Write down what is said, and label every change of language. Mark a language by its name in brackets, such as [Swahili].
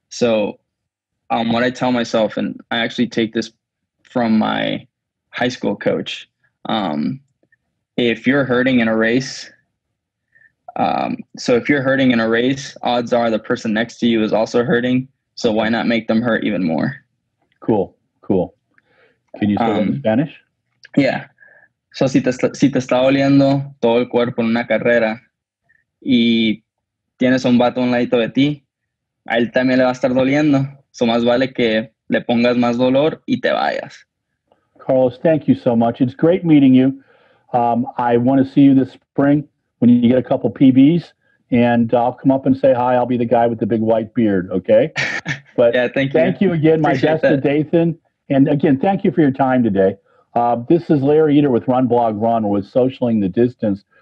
[English] What I tell myself, and I actually take this from my high school coach, if you're hurting in a race, odds are the person next to you is also hurting. So why not make them hurt even more? Cool. Can you say that in Spanish? Yeah. [Spanish] So si te está doliendo todo el cuerpo en una carrera y tienes un vato a un ladito de ti, a él también le va a estar doliendo. So más vale que le pongas más dolor y te vayas. [English] Carlos, thank you so much. It's great meeting you. I want to see you this spring when you get a couple PBs, and I'll come up and say hi. I'll be the guy with the big white beard, okay? But yeah, thank you. Thank you again, my best to Dathan. And again, thank you for your time today. This is Larry Eder with Run Blog Run with Socialing the Distance.